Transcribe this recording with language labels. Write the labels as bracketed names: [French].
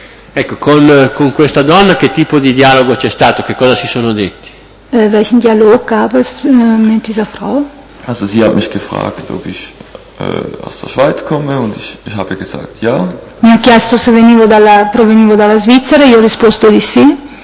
[Italian] Ecco, con questa donna che tipo di dialogo c'è stato? Che cosa si sono detti? [German] Welchen Dialog gab es mit dieser Frau? Also sie hat mich gefragt, ob ich aus der Schweiz komme und ich habe gesagt, ja. [Italian] Mi ha chiesto se provenivo dalla Svizzera e io ho risposto di sì.